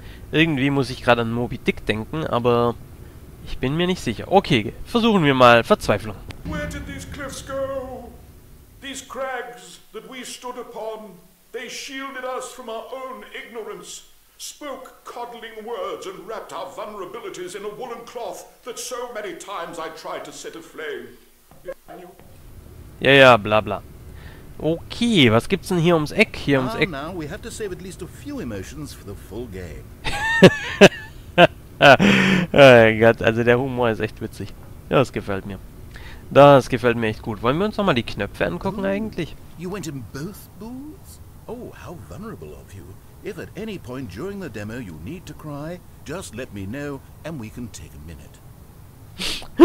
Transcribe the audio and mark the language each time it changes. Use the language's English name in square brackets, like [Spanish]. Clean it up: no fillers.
[German] Irgendwie muss ich gerade an Moby Dick denken, aber ich bin mir nicht sicher. Okay, versuchen wir mal Verzweiflung. [English] Where did these cliffs go? These crags that we stood upon, they shielded us from our own ignorance, spoke coddling words and wrapped our vulnerabilities in a woolen cloth that so many times I tried to set aflame. [German] Ja, bla bla. Okay, was gibt's denn hier ums Eck? Hier ums Eck. [English] Now we have to save at least a few emotions for the full game. [German] Oh Gott, also der Humor ist echt witzig. Ja, das gefällt mir. Das gefällt mir echt gut. Wollen wir uns nochmal die Knöpfe angucken eigentlich? [English] You went in both booths? Oh, how vulnerable of you. If at any point during the demo you need to cry, just let me know and we can take a minute.